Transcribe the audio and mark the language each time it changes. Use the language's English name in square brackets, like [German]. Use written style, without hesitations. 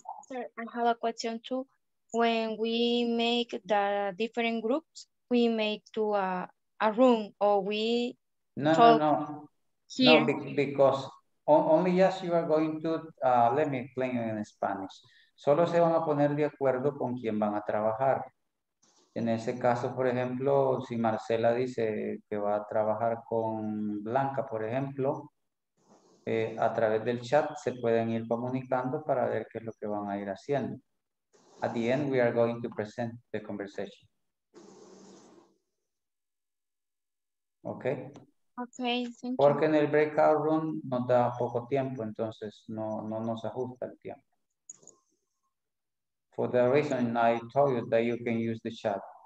[English] I have a question too. When we make the different groups, we make to a room or we No, because only yes, you are going to, let me explain in Spanish. [Spanish] Solo se van a poner de acuerdo con quién van a trabajar. En ese caso, por ejemplo, si Marcela dice que va a trabajar con Blanca, por ejemplo, a través del chat se pueden ir comunicando para ver qué es lo que van a ir haciendo. [English] At the end, we are going to present the conversation. Okay. Okay. Thank [Spanish] Porque [English] you. [Spanish] En el breakout room nos da poco tiempo, entonces no nos ajusta el tiempo. [English] For the reason I told you that you can use the chat.